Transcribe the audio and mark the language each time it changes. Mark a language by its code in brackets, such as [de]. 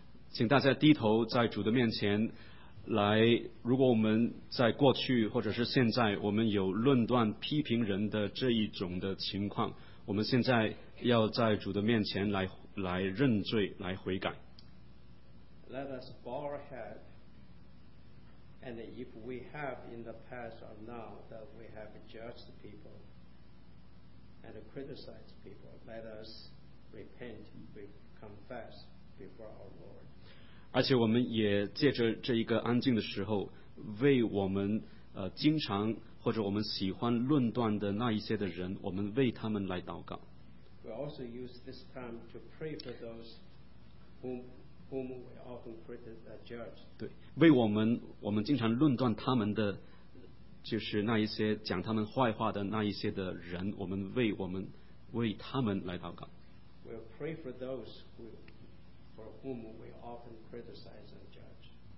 [zh] 请大家低头在主的面前来。如果我们在过去或者是现在，我们有论断批评人的这一种的情况，我们现在要在主的面前来认罪，来悔改。 [en] Let us bow our head, and if we have in the past or now that we have judged people and criticized people, let us repent, we confess before our Lord. [zh] 而且我们也借着这一个安静的时候，为我们经常或者我们喜欢论断的那一些的人，我们为他们来祷告。 [en] We also use this time to pray for those whom we often criticize. [zh] 对，为我们经常论断他们的，就是那一些讲他们坏话的那一些的人，我们为他们来祷告。 [en] We'll pray for those who, for whom we often criticize and judge.